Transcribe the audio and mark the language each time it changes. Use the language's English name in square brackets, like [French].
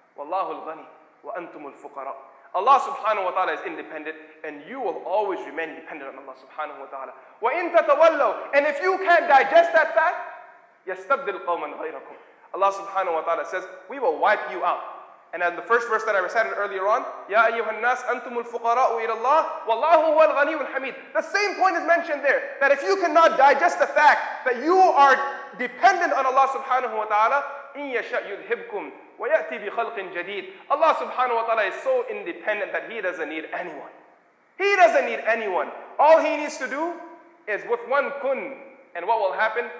[English] Wallahu al-ghani wa antumul fuqara. Allah subhanahu wa ta'ala is independent and you will always remain dependent on Allah subhanahu wa ta'ala. [Arabic] Wa in tatawallaw. [English] And if you can't digest that fact, [Arabic] يَسْتَبْدِلْ قَوْمًا غَيْرَكُمْ. [English] Allah subhanahu wa ta'ala says, we will wipe you out. And at the first verse that I recited earlier on, [Arabic] يَا أَيُّهَا النَّاسِ أَنْتُمُ الْفُقَرَاءُ إِلَى اللَّهِ وَاللَّهُ هُوَ الْغَنِيُّ الْحَمِيدُ. [English] The same point is mentioned there, that if you cannot digest the fact that you are dependent on Allah subhanahu wa ta'ala, [Arabic] إِنْ يَشَأْ يُذْهِبْكُمْ وَيَأْتِي بِخَلْقٍ جَدِيدٍ. [English] Allah subhanahu wa ta'ala is so independent that He doesn't need anyone. He doesn't need anyone. All He needs to do is with one kun. And what will happen?